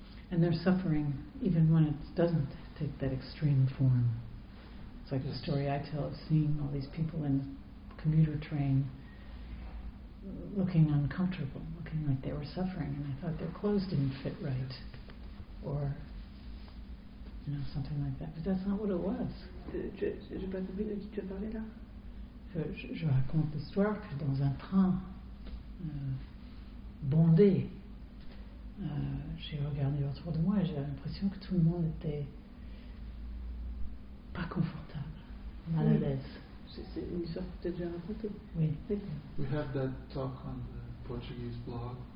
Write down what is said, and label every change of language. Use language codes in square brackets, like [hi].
[en] And there's suffering even when it doesn't take that extreme form. It's like the story I tell of seeing all these people in the commuter train looking uncomfortable, looking like they were suffering, and I thought their clothes didn't fit right, or something like that. But that's not what it was. [fr] J'ai pas compris de qui tu as parlé là. Je raconte l'histoire que dans un train bondé, j'ai regardé autour de moi et j'ai l'impression que tout le monde était pas confortable, mal à l'aise. C'est une histoire que tu as déjà racontée. Oui. [en] We have that talk on the Portuguese blog.